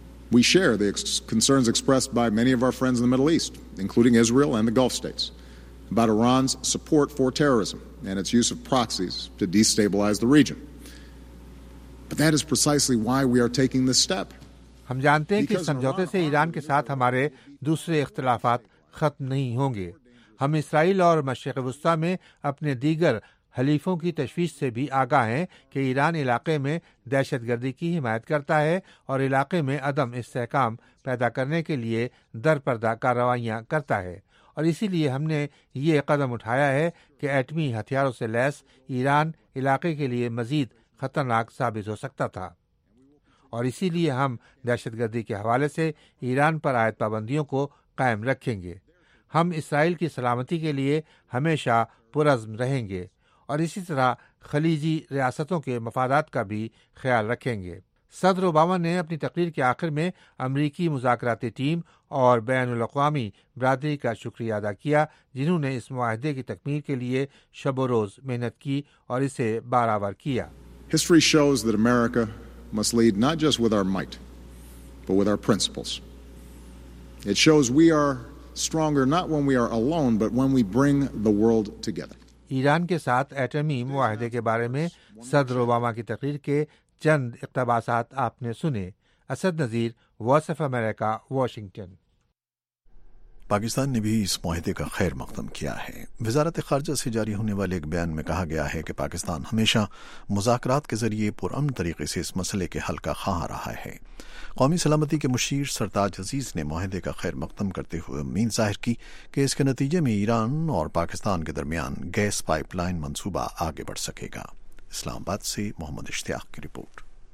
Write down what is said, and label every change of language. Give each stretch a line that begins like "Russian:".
English: We share the concerns expressed by many of our friends in the Middle East, including Israel and the Gulf states, about Iran's support for terrorism and its use of proxies to destabilize the region. But that is precisely why we are taking this step.
Urdu: ہم جانتے ہیں کہ سمجھوتے سے ایران کے ساتھ ہمارے دوسرے اختلافات ختم نہیں ہوں گے۔ ہم اسرائیل اور مشرق وسطی میں اپنے دیگر حلیفوں کی تشویش سے بھی آگاہ ہیں کہ ایران علاقے میں دہشت گردی کی حمایت کرتا ہے اور علاقے میں عدم استحکام پیدا کرنے کے لیے در پردہ کارروائیاں کرتا ہے، اور اسی لیے ہم نے یہ قدم اٹھایا ہے کہ ایٹمی ہتھیاروں سے لیس ایران علاقے کے لیے مزید خطرناک ثابت ہو سکتا تھا، اور اسی لیے ہم دہشت گردی کے حوالے سے ایران پر عائد پابندیوں کو قائم رکھیں گے۔ ہم اسرائیل کی سلامتی کے لیے ہمیشہ پرعزم رہیں گے، اور اسی طرح خلیجی ریاستوں کے مفادات کا بھی خیال رکھیں گے۔ صدر اوباما نے اپنی تقریر کے آخر میں امریکی مذاکراتی ٹیم اور بین الاقوامی برادری کا شکریہ ادا کیا جنہوں نے اس معاہدے کی تکمیل کے لیے شب و روز محنت کی اور اسے بارآور کیا۔
English: History shows that America must lead not just with our might, but with our principles. It shows we are stronger not when we are alone, but when we bring the world together.
Urdu: Iran کے ساتھ ایٹمی معاہدے کے بارے میں صدر Obama کی تقریر کے چند اقتباسات آپ نے سنے۔ Asad Nazir, voice of America, Washington. Pakistan نے بھی اس معاہدے کا خیر مقدم کیا ہے۔ وزارت خارجہ سے جاری ہونے والے ایک بیان میں کہا گیا ہے کہ پاکستان ہمیشہ مذاکرات کے ذریعے پرامن طریقے سے اس مسئلے کے حل کا خواہاں رہا ہے۔ قومی سلامتی کے مشیر سرتاج عزیز نے معاہدے کا خیر مقدم کرتے ہوئے امید ظاہر کی کہ اس کے نتیجے میں ایران اور پاکستان کے درمیان گیس پائپ لائن منصوبہ آگے بڑھ سکے گا۔ اسلام آباد سے محمد اشتیاق کی رپورٹ۔